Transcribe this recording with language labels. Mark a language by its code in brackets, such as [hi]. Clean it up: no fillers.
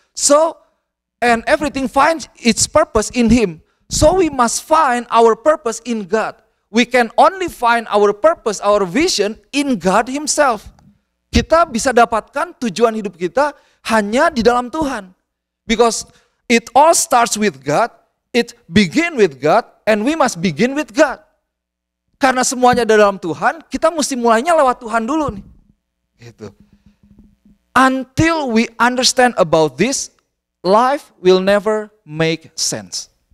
[en] So, and everything finds its purpose in Him. So we must find our purpose in God. We can only find our purpose, our vision in God Himself. [id] Kita bisa dapatkan tujuan hidup kita hanya di dalam Tuhan. [en] Because it all starts with God. It begin with God and we must begin with God. [id] Karena semuanya ada dalam Tuhan, kita mesti mulainya lewat Tuhan dulu nih. Gitu. [en] Until we understand about this, life will never make sense.